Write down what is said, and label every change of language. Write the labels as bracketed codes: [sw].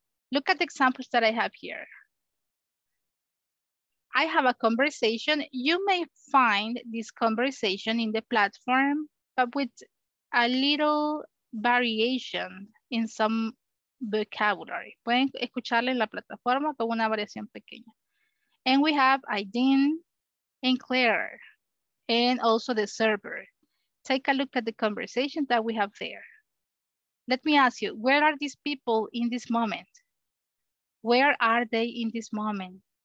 [en] Look at the examples that I have here. I have a conversation. You may find this conversation in the platform, but with a little variation in some vocabulary. [es] Pueden escucharla en la plataforma con una variación pequeña. [en] And we have Aideen and Claire, and also the server. Take a look at the conversation that we have there. Let me ask you, where are these people in this moment? Where are they in this moment?